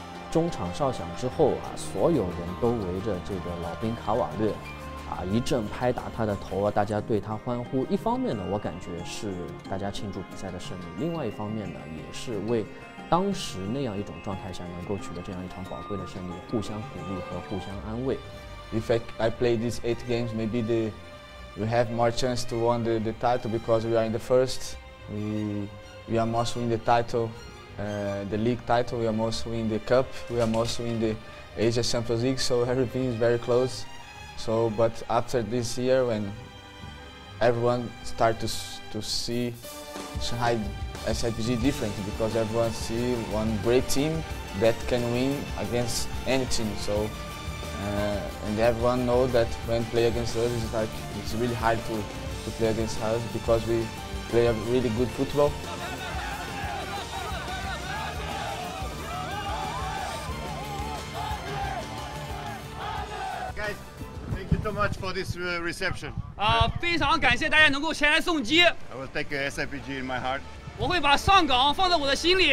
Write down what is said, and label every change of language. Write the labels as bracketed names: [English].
[Chinese] 中场哨响之后啊，所有人都围着这个老兵卡瓦略啊一阵拍打他的头啊，大家对他欢呼。一方面呢，我感觉是大家庆祝比赛的胜利，另外一方面呢，也是为当时那样一种状态下能够取得这样一场宝贵的胜利互相鼓励和互相安慰。 [English] If I play these 8 games, maybe we have more chance to win the title because we are in the first. We are most win the title, the league title. We are most win the cup. We are most win the Asia Champions League. So everything is very close. So, but after this year, when everyone start to see Shanghai SIPG different because everyone see one great team that can win against any team. So, and everyone know that when play against us, it's like it's really hard to play against us because we play a really good football. Guys, thank you so much for this reception. [Chinese] 非常感谢大家能够前来送机。 [English] I will take SIPG in my heart. [Chinese] 我会把上港放在我的心里。